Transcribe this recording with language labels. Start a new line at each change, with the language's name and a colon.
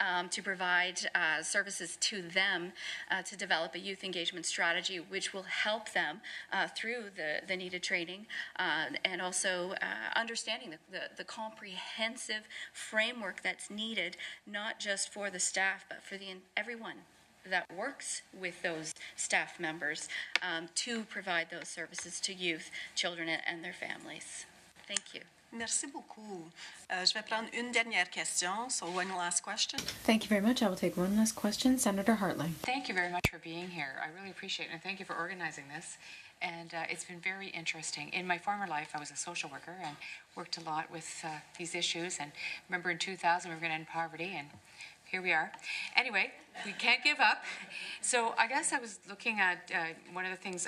English: to provide services to them to develop a youth engagement strategy, which will help them through the needed training and also understanding the comprehensive framework that's needed, not just for the staff, but for everyone that works with those staff members to provide those services to youth, children, and their families. Thank you.
French: Merci beaucoup. Je vais prendre une dernière question,
English: so one last question. Thank you very much. I will take one last question. Senator Hartling. Thank you very much for being here. I really appreciate it, and thank you for organizing this. And it's been very interesting. In my former life, I was a social worker and worked a lot with these issues. And remember, in 2000, we were going to end poverty, and here we are. Anyway, we can't give up. So I guess I was looking at one of the things.